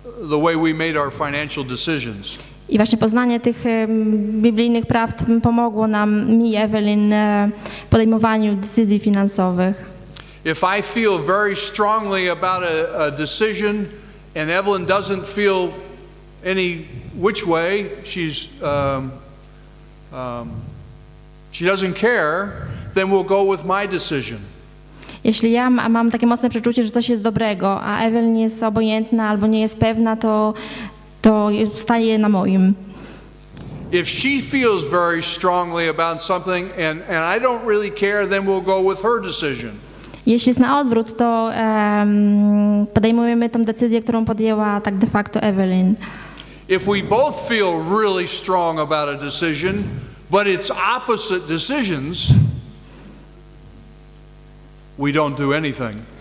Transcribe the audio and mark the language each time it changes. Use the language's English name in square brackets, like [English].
[English] the way we made our financial decisions. [Polish] I właśnie poznanie tych biblijnych prawd pomogło nam, mi, Evelyn, w podejmowaniu decyzji finansowych. [English] If I feel very strongly about a decision and Evelyn doesn't feel any which way, she's she doesn't care, then we'll go with my decision. [Polish] Jeśli ja mam takie mocne przeczucie, że coś jest dobrego, a Evelyn jest obojętna albo nie jest pewna, to staje na moim. [English] If she feels very strongly about something and I don't really care, then we'll go with her decision. [Polish] Jeśli jest na odwrót, to podejmujemy tą decyzję, którą podjęła tak de facto Evelyn. [English] If we both feel really strong about a decision, but it's opposite decisions, we don't do anything.